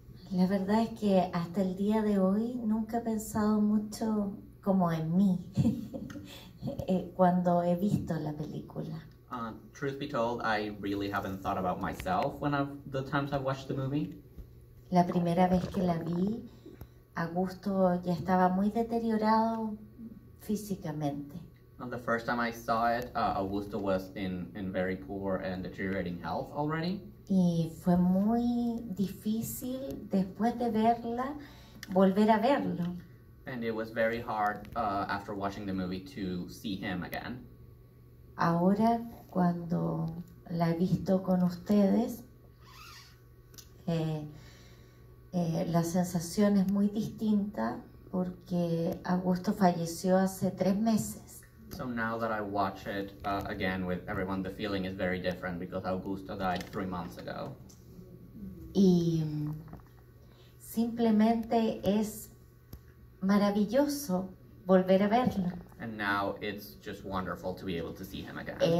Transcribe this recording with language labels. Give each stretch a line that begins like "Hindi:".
Spanish: La verdad es que hasta el día de hoy nunca he pensado mucho como en mí cuando he visto la película.
English: Truth be told, I really haven't thought about myself when the times I've watched the movie.
Spanish: La primera vez que la vi, Augusto ya estaba muy deteriorado físicamente.
English: And the first time I saw it, Augusto was in very poor and deteriorating health already.
Spanish: Y fue muy difícil después de verla volver a verlo.
English: And it was very hard after watching the movie to see him again.
Spanish: Ahora, cuando la he visto con ustedes, la sensación es muy distinta porque Augusto falleció hace 3 meses.
English: So now that I watch it again with everyone, the feeling is very different because Augusto died 3 months ago.
Spanish: Y simplemente es maravilloso volver a verlo.
English: And now it's just wonderful to be able to see him again.